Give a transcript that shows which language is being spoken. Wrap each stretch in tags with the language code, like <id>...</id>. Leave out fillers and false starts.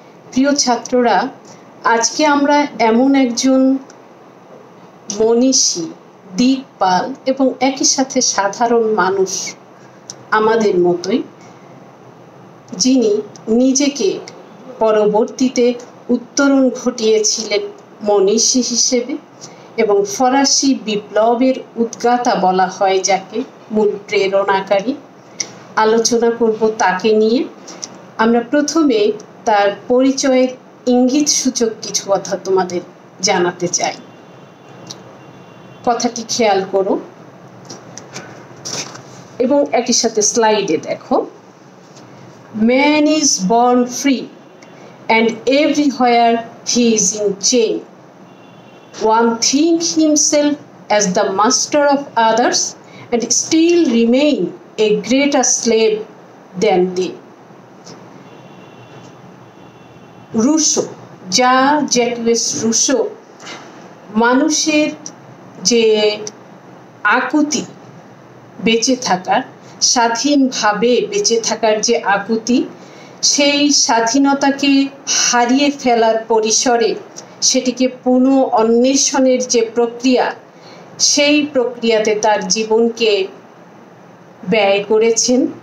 <bn>প্রিয় ছাত্ররা, আজকে আমরা এমন একজন মনীষী দীপপাল এবং একই সাথে সাধারণ মানুষ আমাদের মতোই, যিনি নিজেকে পরবর্তীতে উত্তরণ ঘটিয়েছিলেন মনীষী হিসেবে এবং ফরাসি বিপ্লবের উদ্গাতা বলা হয় যাকে, মূল প্রেরণাকারী, আলোচনা করব তাকে নিয়ে। আমরা প্রথমে তার পরিচয়ের ইঙ্গিত সূচক কিছু কথা তোমাদের জানাতে চাই। কথাটি খেয়াল করো এবং একই সাথে স্লাইডে দেখো।</bn> <en>Man is born free and everywhere he is in chain. One thinks himself as the master of others and still remains a greater slave than they.</en> <bn>Rousseau, Jean-Jacques Rousseau, মানুষের যে আকুতি বেঁচে থাকার, স্বাধীনভাবে বেঁচে থাকার যে আকুতি, সেই স্বাধীনতাকে হারিয়ে ফেলার পরিসরে সেটিকে পুন অন্বেষণের যে প্রক্রিয়া, সেই প্রক্রিয়াতে তার জীবনকে ব্যয় করেছেন।</bn>